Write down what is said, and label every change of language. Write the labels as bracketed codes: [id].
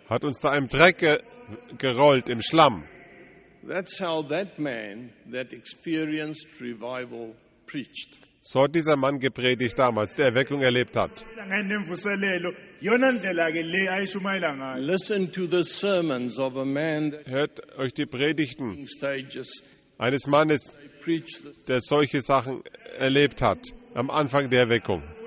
[de] Hat uns da im Dreck gerollt, im Schlamm. [en] That's how that man that experienced revival preached. [de] So hat dieser Mann gepredigt damals, der Erweckung erlebt hat. [en] Listen to the sermons of a man that [de] hört euch die Predigten eines Mannes, der solche Sachen erlebt hat am Anfang der Erweckung.